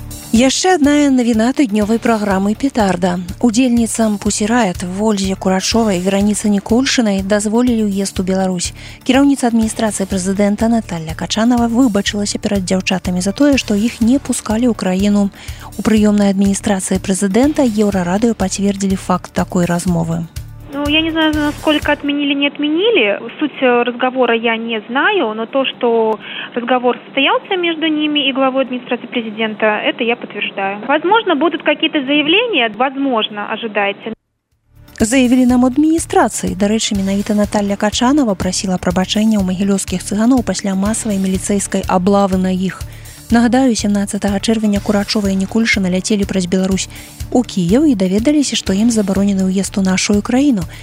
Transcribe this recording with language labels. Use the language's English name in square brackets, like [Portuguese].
[Belarusian] Яшчэ адна навіна тыднёвай праграмы «Петарда». Удзельніцам «Пусі Райт» Вользе Курачовай і Вераніцы Нікульшынай дазволілі ўезд у Беларусь. Кіраўніца адміністрацыі прэзідэнта Наталля Качанова выбачылася перад дзяўчатамі за тое, што іх не пускалі ў краіну. У прыёмнай адміністрацыі прэзідэнта Еўрарадыё пацвердзілі факт такой размовы. [Russian] Ну, я не знаю, насколько отменили, не отменили. Суть разговора я не знаю, но то, что разговор состоялся между ними и главой администрации президента, это я подтверждаю. Возможно, будут какие-то заявления, возможно, ожидайте. [Belarusian] Заявілі нам адміністрацыі. Дарэчы, менавіта Наталля Качанова прасіла прабачэння ў магілёўскіх цыганоў пасля масавай міліцэйскай аблавы на іх. Нагадаю, 17 чэрвеня Курачова і Нікульшына ляцелі праз Беларусь у Кіеў і даведаліся, што ім забаронены ўезд у нашую краіну.